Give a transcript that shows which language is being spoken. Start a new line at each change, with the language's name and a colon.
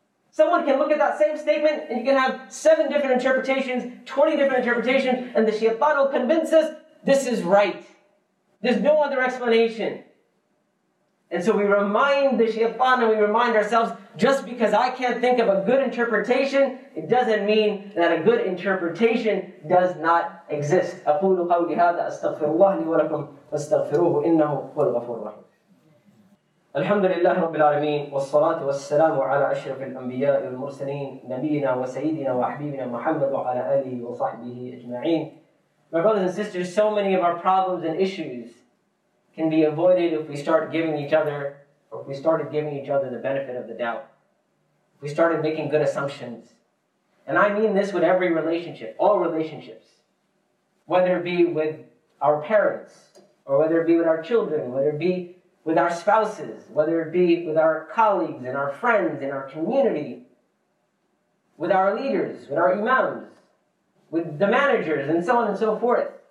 English: Someone can look at that same statement and you can have seven different interpretations, 20 different interpretations, and the shaytan will convince us this is right. There's no other explanation. And so we remind the shaytan and we remind ourselves, just because I can't think of a good interpretation, it doesn't mean that a good interpretation does not exist.
Arabic: أَقُولُ قَوْلِ هَذَا أَسْتَغْفِرُ اللَّهَ لِي وَلَكُمْ وَاسْتَغْفِرُوهُ إِنَّهُ هُوَ الْغَفُورُ الرَّحِيمُ الحمد لله رب العالمين والصلاة والسلام على أشرف الأنبياء والمرسلين نبينا وسيدنا وحبيبنا محمد وعلى آله وصحبه أجمعين.
English: My brothers and sisters, so many of our problems and issues can be avoided if we start giving each other, or if we started giving each other the benefit of the doubt. If we started making good assumptions. And I mean this with every relationship, all relationships. Whether it be with our parents, or whether it be with our children, whether it be with our spouses, whether it be with our colleagues and our friends in our community, with our leaders, with our imams, with the managers, and so on and so forth.